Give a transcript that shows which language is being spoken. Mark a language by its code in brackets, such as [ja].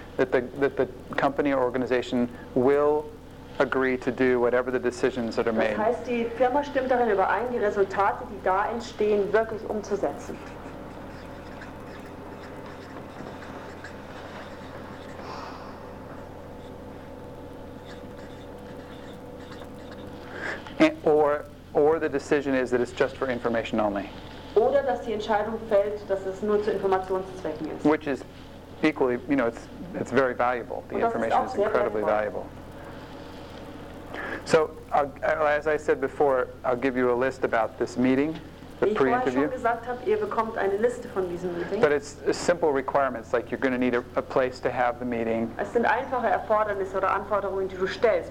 [en] That the company or organization will agree to do whatever the decisions that are made. [de] Das heißt, die Firma stimmt darin überein, die Resultate, die da entstehen, wirklich umzusetzen. [en] Or the decision is that it's just for information only. [de] Oder dass die Entscheidung fällt, dass es nur zu Informationszwecken ist. [en] Which is equally, you know, it's very valuable. The information is incredibly valuable. So, as I said before, I'll give you a list about this meeting, the pre-interview. [de] Wie ich vorher schon gesagt habe, ihr bekommt eine Liste von diesem Meeting. [en] But it's simple requirements, like you're going to need a place to have the meeting. [de] Es sind einfache Erfordernisse oder Anforderungen, die du stellst.